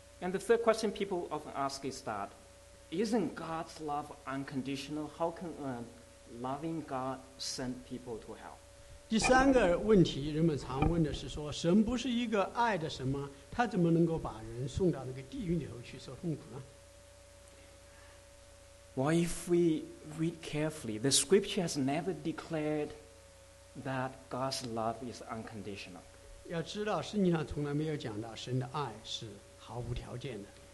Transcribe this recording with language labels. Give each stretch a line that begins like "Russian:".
English: the third question people often ask is that, isn't God's love unconditional? How can a loving God send people to hell?
Chinese: 第三个问题人们常问的是说，神不是一个爱的神吗？他怎么能够把人送到那个地狱里头去受痛苦呢？
English: Well, if we read carefully, the scripture has never declared that God's love is unconditional.
Chinese: 要知道，圣经上从来没有讲到神的爱是毫无条件的。